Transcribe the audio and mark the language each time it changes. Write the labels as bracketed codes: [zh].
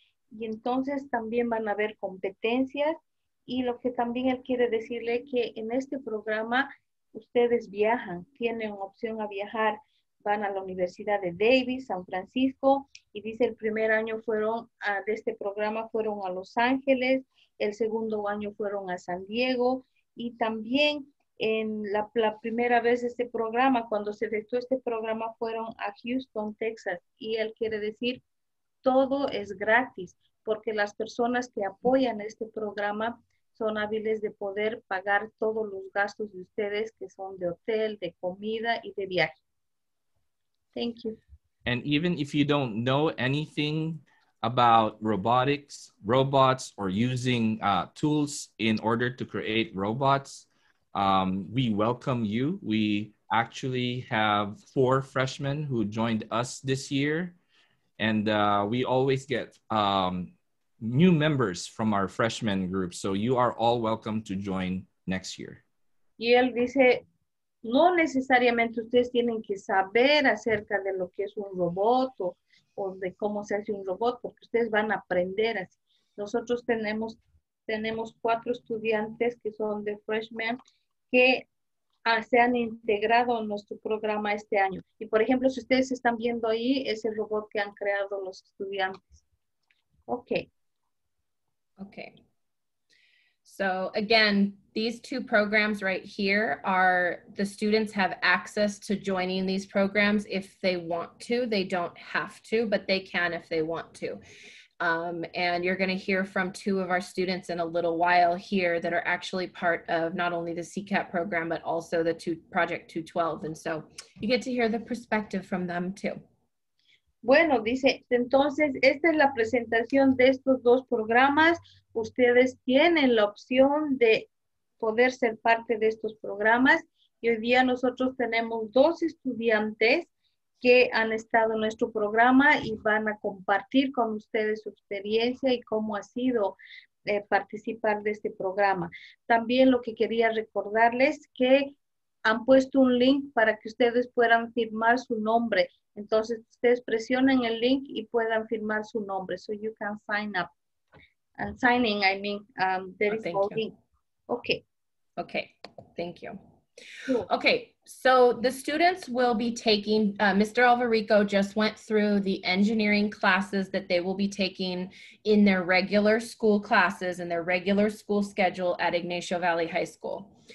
[es] Y entonces también van a haber competencias y lo que también él quiere decirle que en este programa ustedes viajan, tienen opción a viajar, van a la Universidad de Davis, San Francisco, y dice el primer año fueron de este programa fueron a Los Ángeles, el segundo año fueron a San Diego, y también en la primera vez de este programa, cuando se efectuó este programa, fueron a Houston, Texas, y él quiere decir, todo es gratis, porque las personas que apoyan este programa son hábiles de poder pagar todos los gastos de ustedes, que son de hotel, de comida y de viaje. [en] Thank you. And even if you don't know anything about robotics, robots, or using tools in order to create robots, we welcome you. We actually have 4 freshmen who joined us this year. And we always get new members from our freshman group. So you are all welcome to join next year. [es] Y él dice, no necesariamente ustedes tienen que saber acerca de lo que es un robot o de cómo se hace un robot, porque ustedes van a aprender así. Nosotros tenemos 4 estudiantes que son de freshmen que se han integrado en nuestro programa este año. Y por ejemplo, si ustedes están viendo ahí, es el robot que han creado los estudiantes. [en] Okay. Okay. So again, these 2 programs right here are the students have access to joining these programs if they want to. They don't have to, but they can if they want to. And you're going to hear from 2 of our students in a little while here that are actually part of not only the CCAP program, but also the Project 212. And so you get to hear the perspective from them too. [es] Bueno, dice, entonces esta es la presentación de estos dos programas. Ustedes tienen la opción de poder ser parte de estos programas. Y hoy día nosotros tenemos dos estudiantes que han estado en nuestro programa y van a compartir con ustedes su experiencia y cómo ha sido participar de este programa. También lo que quería recordarles que han puesto un link para que ustedes puedan firmar su nombre. Entonces, ustedes presionen el link y puedan firmar su nombre. [en] So you can sign up. And signing, I mean, there is a link. Okay. Okay. Thank you. Cool. Okay. So the students will be taking, Mr. Alvarico just went through the engineering classes that they will be taking in their regular school classes and their regular school schedule at Ignacio Valley High School.